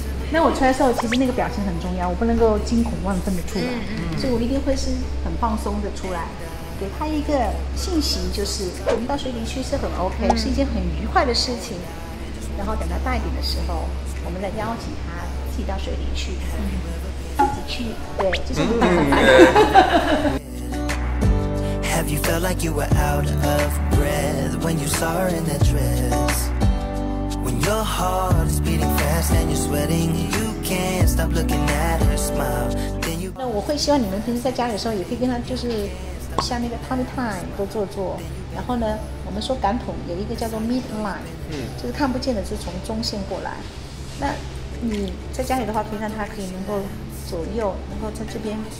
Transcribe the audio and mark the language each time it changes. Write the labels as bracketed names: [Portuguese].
[Chinese] 那我出来的时候，其实那个表情很重要，我不能够惊恐万分的出来，所以我一定会是很放松的出来，给他一个信息，就是我们到水里去是很 OK，是一件很愉快的事情。然后等到大一点的时候，我们再邀请他自己到水里去，自己去，对，就是很大方。 [English] Have you felt like you were out of breath when you saw her in that dress? When your heart is beating fast and you're sweating, you can't stop looking at her smile. Then you. [Chinese] 那我会希望你们平时在家里的时候，也可以跟他就是像那个 tummy time 都做做。然后呢，我们说感统有一个叫做 midline，就是看不见的是从中线过来。那你在家里的话，平常他可以能够左右，能够在这边。